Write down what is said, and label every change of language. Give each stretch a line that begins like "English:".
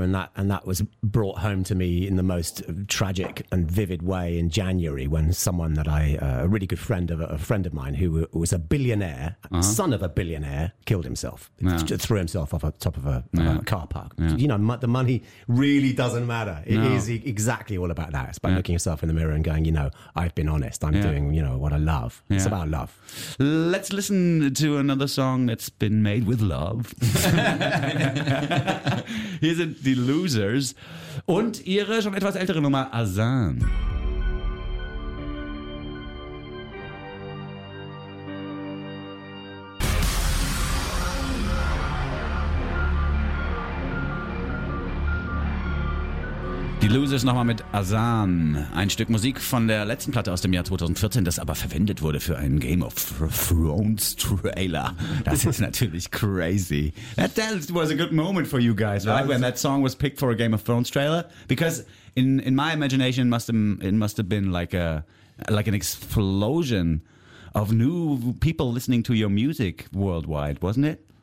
English: And that was brought home to me in the most tragic and vivid way in January, when someone that a really good friend of mine who was a billionaire, son of a billionaire, killed himself, threw himself off the top of a car park. Yeah. You know, the money really doesn't matter. It is exactly all about that. It's about looking yourself in the mirror and going, you know, I've been honest. I'm doing, you know, what I love. Yeah. It's about love. Let's listen to another song that's been made with love.
German: Hier sind die Losers und ihre schon etwas ältere Nummer Azan. Die Losers nochmal mit Azan. Ein Stück Musik von der letzten Platte aus dem Jahr 2014, das aber verwendet wurde für einen Game of Thrones Trailer. Das ist natürlich crazy.
English: That was a good moment for you guys, right? When that song was picked for a Game of Thrones trailer. Because in my imagination, it must have been like an explosion of new people listening to your music worldwide, wasn't it?